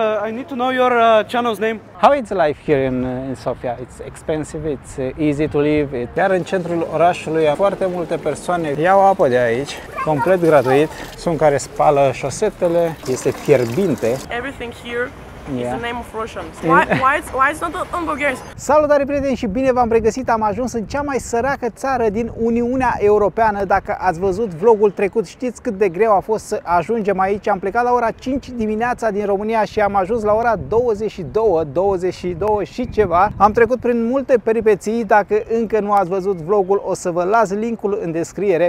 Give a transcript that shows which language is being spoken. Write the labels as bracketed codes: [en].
[en] I need to know your channel's name. How is life here in Sofia? It's expensive. It's easy to live. [ro] Chiar în centrul orașului, foarte multe persoane iau apă de aici, complet gratuit. Sunt care spală șosetele. Este fierbinte. [en] Everything here. Yeah. It's the name of Russians. Why it's not on Bulgarian? [ro] Salutare prieteni și bine v-am regăsit. Am ajuns în cea mai săracă țară din Uniunea Europeană. Dacă ați văzut vlogul trecut, știți cât de greu a fost să ajungem aici. Am plecat la ora 5 dimineața din România și am ajuns la ora 22 și ceva. Am trecut prin multe peripeții. Dacă încă nu ați văzut vlogul, o să vă las linkul în descriere.